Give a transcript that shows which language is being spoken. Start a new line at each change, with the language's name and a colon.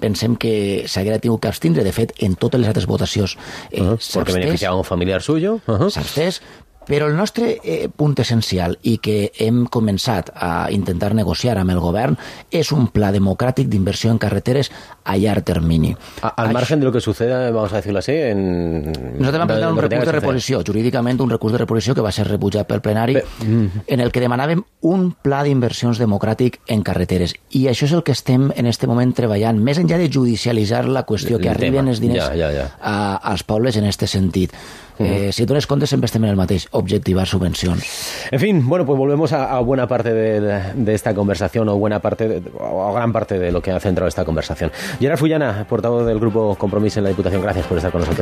Catalan: Pensem que s'hauria tingut que abstindre, de fet, en totes les altres votacions. Perquè beneficiava un familiar suyo. Però el nostre punt essencial i que hem començat a intentar negociar amb el govern és un pla democràtic d'inversió en carreteres a llarg termini.
Spanish: Al marge de lo que suceda, vamos a decirlo así, en...
Catalan: Nosaltres vam presentar un recurs de reposició, jurídicament un recurs de reposició que va ser rebutjat pel plenari, en el que demanàvem un pla d'inversions democràtic en carreteres. I això és el que estem en este moment treballant, més enllà de judicialitzar la qüestió, que arriben els diners als pobles en este sentit. Si dones compte, sempre estem en el mateix, objectivar subvencions.
Spanish: En fin, bueno, pues volvemos a buena parte de esta conversación, o buena parte, o gran parte de lo que ha centrado esta conversación. Gerard Fullana, portavoz del grupo Compromís en la Diputación, gracias por estar con nosotros.